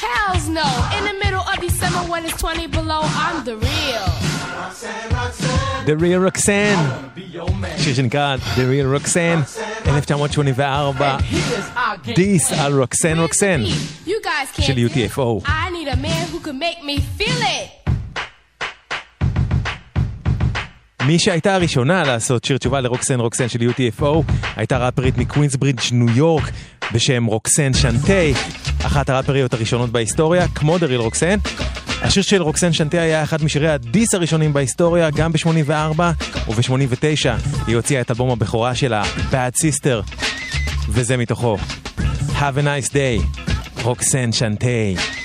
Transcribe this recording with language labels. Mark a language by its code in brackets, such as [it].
[en] Hells no, in the middle of December when it's 20 below, I'm the real [he] The Real Roxanne, שיר שנקרא The Real Roxanne, 1984, This are Roxanne Roxanne, של UTFO. [en] I need a man who can make me feel it. [he] מי שהייתה הראשונה לעשות שיר תשובה לרוקסן רוקסן של UTFO, הייתה ראפרית מקווינסברידג' ניו יורק בשם רוקסן שנטי, אחת הראפריות הראשונות בהיסטוריה, כמו דריל רוקסן. השיר של רוקסן שנטי היה אחד משירי הדיס הראשונים בהיסטוריה, גם ב-84 וב-89 היא הוציאה את אלבום הבכורה שלה, Bad Sister, וזה מתוכו. [en] Have a nice day, רוקסן שנטי.